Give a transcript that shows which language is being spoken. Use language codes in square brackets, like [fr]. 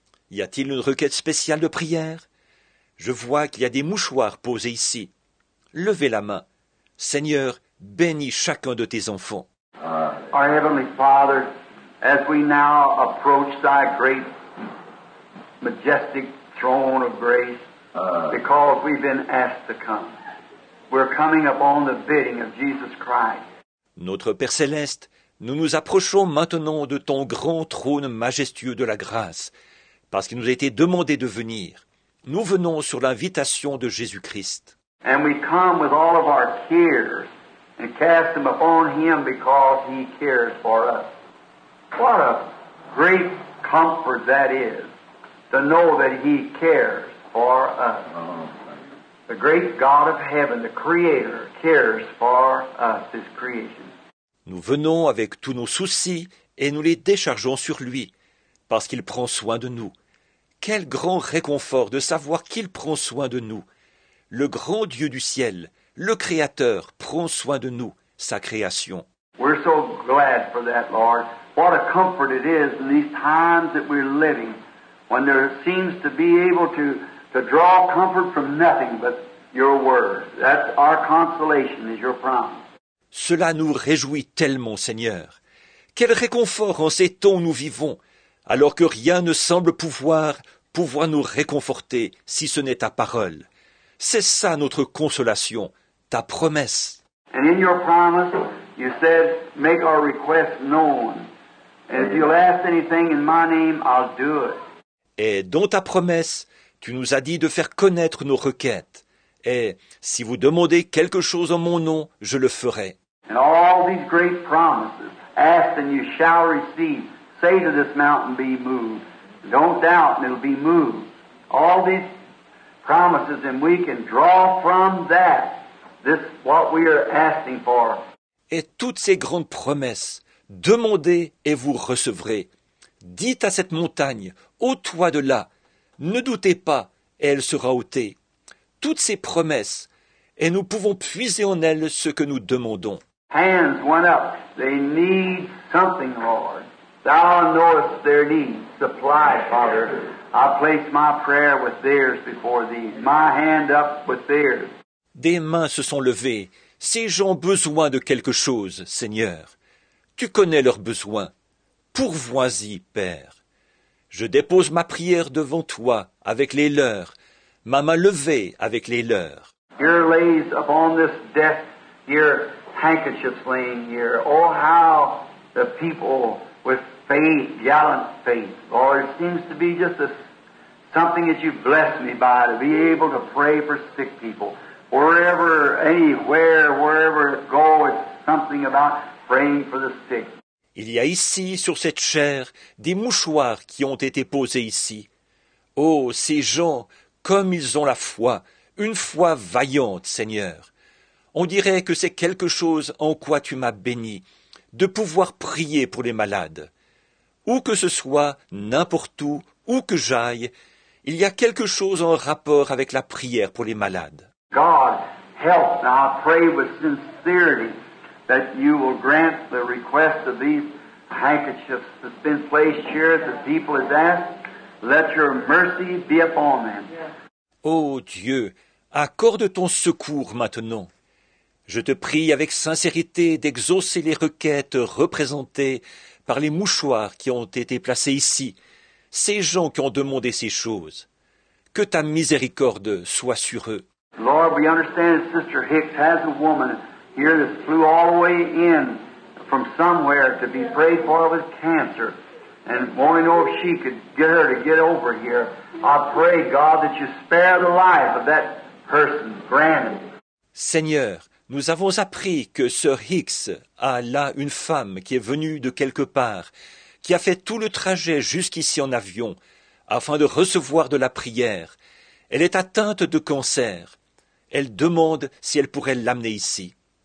[fr] Y a-t-il une requête spéciale de prière? Je vois qu'il y a des mouchoirs posés ici. Levez la main. Seigneur, bénis chacun de tes enfants. [en] Our Heavenly Father, as we now approach thy great, majestic throne of grace, because we've been asked to come, we're coming upon the bidding of Jesus Christ. [fr] Notre Père Céleste, nous nous approchons maintenant de ton grand trône majestueux de la grâce, parce qu'il nous a été demandé de venir. Nous venons sur l'invitation de Jésus-Christ. [en] And we come with all of our cares and cast them upon him because he cares for us. What a great comfort that is to know that he cares for us. The great God of heaven, the Creator, cares for us, his creation. [fr] Nous venons avec tous nos soucis et nous les déchargeons sur lui parce qu'il prend soin de nous. Quel grand réconfort de savoir qu'il prend soin de nous. Le grand Dieu du ciel, le Créateur, prend soin de nous, sa création. [en] We're so glad for that, Lord. What a comfort it is in these times that we're living, when there seems to be able to draw comfort from nothing but your word. That's our consolation, is your promise. [fr] Cela nous réjouit tellement, Seigneur. Quel réconfort en ces temps où nous vivons, alors que rien ne semble pouvoir nous réconforter si ce n'est ta parole. C'est ça notre consolation, ta promesse. [en] And in your promise, you said, make our request known. And if you'll ask anything in my name, I'll do it. [fr] Et dans ta promesse, tu nous as dit de faire connaître nos requêtes. Et si vous demandez quelque chose en mon nom, je le ferai. [en] And all these great promises, ask and you shall receive. Say to this mountain, be moved. Don't doubt, and it'll be moved. All these promises, and we can draw from that this what we are asking for. [fr] Et toutes ces grandes promesses, Demandez et vous recevrez. Dites à cette montagne, ôte-toi de là. Ne doutez pas et elle sera ôtée. Toutes ces promesses, et nous pouvons puiser en elles ce que nous demandons. [en] Hands went up. They need something, Lord. Thou knowest their needs. Supply, Father. I place my prayer with theirs before thee. My hand up with theirs. [fr] Des mains se sont levées. Ces gens ont besoin de quelque chose, Seigneur. Tu connais leurs besoins. Pourvois-y, Père. Je dépose ma prière devant toi avec les leurs, ma main levée avec les leurs. [en] Here lays upon this death your handkerchief laying here. Oh, how the people with faith, gallant faith, Lord, it seems to be just a, something that you've blessed me by, to be able to pray for sick people. Wherever, anywhere, wherever it goes, it's something about praying for the sick. [fr] Il y a ici, sur cette chair, des mouchoirs qui ont été posés ici. Oh, ces gens, comme ils ont la foi, une foi vaillante, Seigneur. On dirait que c'est quelque chose en quoi tu m'as béni, de pouvoir prier pour les malades. Où que ce soit, n'importe où, où que j'aille, il y a quelque chose en rapport avec la prière pour les malades. [en] God, help, now I pray with sincerity that you will grant the request of these handkerchiefs that's been placed here that the people has asked. Let your mercy be upon them. [fr] Oh Dieu, accorde ton secours maintenant. Je te prie avec sincérité d'exaucer les requêtes représentées par les mouchoirs qui ont été placés ici, ces gens qui ont demandé ces choses. Que ta miséricorde soit sur eux. [en] Lord, we understand that Sister Hicks has a woman here that flew all the way in from somewhere to be prayed for with cancer. And want to know if she could get her to get over here. I pray, God, that you spare the life of that person, granted. [fr] Seigneur, nous avons appris que Sir Hicks a là une femme qui est venue de quelque part, qui a fait tout le trajet jusqu'ici en avion, afin de recevoir de la prière. Elle est atteinte de cancer. Elle demande si elle pourrait l'amener ici.